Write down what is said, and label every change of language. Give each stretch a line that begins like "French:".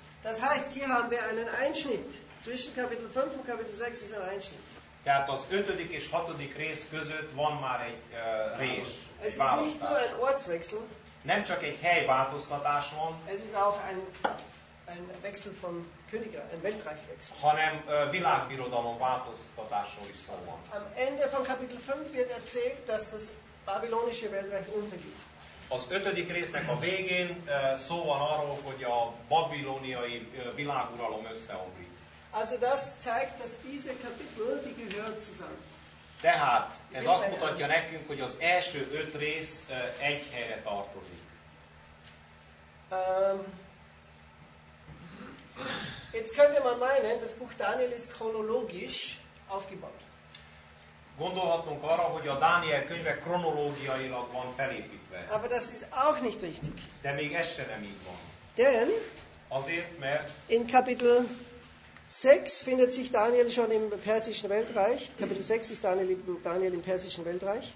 German: Das heißt, hier haben wir einen Einschnitt. Zwischen Kapitel 5 und Kapitel 6 ist ein Einschnitt.
Hungarian: Tehát az 5. és 6. rész között van már egy rés.
German: Es ist nicht nur ein Ortswechsel.
Hungarian: Nem csak egy helyváltoztatás van.
German: Es ist auch ein Wechsel von Königreich, ein Weltreichwechsel.
Hungarian: Hanem világbirodalom változtatásról is szó van.
German: Am Ende von Kapitel 5 wird erzählt, dass das babylonische Weltreich untergeht.
Hungarian: Az ötödik résznek a végén szó van arról, hogy a babiloniai világuralom összeomlik.
German: Also das zeigt, dass diese Kapitel, die gehören zusammen.
Hungarian: Tehát ez azt mutatja nekünk, hogy az első öt rész egy helyre tartozik.
German: Jetzt könnte man meinen, das Buch Daniel ist chronologisch aufgebaut.
Hungarian: Gondolhatunk arra, hogy a Dániel könyve kronológiailag van felépítve.
German: Aber das ist auch nicht richtig.
Hungarian: De még ez se nem így van.
German: Denn
Hungarian: azért, mert
German: in Kapitel 6 findet sich Daniel schon im persischen Weltreich. Kapitel 6 ist Daniel im persischen Weltreich.